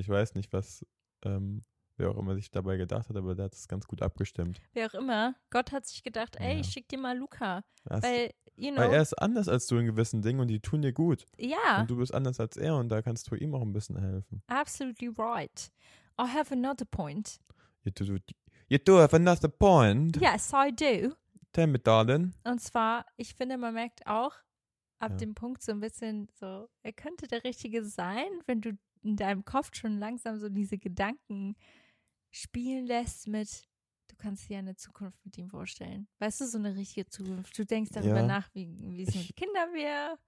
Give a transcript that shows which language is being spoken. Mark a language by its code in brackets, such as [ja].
[de] Ich weiß nicht, was wer auch immer sich dabei gedacht hat, aber der hat es ganz gut abgestimmt. Wer auch immer, Gott hat sich gedacht, ey, ja. Ich schick dir mal Luca. Das, weil, [en] you know, [de] weil er ist anders als du in gewissen Dingen und die tun dir gut. Ja. Und du bist anders als er und da kannst du ihm auch ein bisschen helfen. [en] Absolutely right. I have another point. You do have another point? Yes, I do. Tell me, darling. [de] Und zwar, ich finde, man merkt auch ab dem Punkt so ein bisschen so, er könnte der Richtige sein, wenn du in deinem Kopf schon langsam so diese Gedanken spielen lässt mit, du kannst dir eine Zukunft mit ihm vorstellen. Weißt du, so eine richtige Zukunft. Du denkst darüber nach, wie es mit Kindern wäre.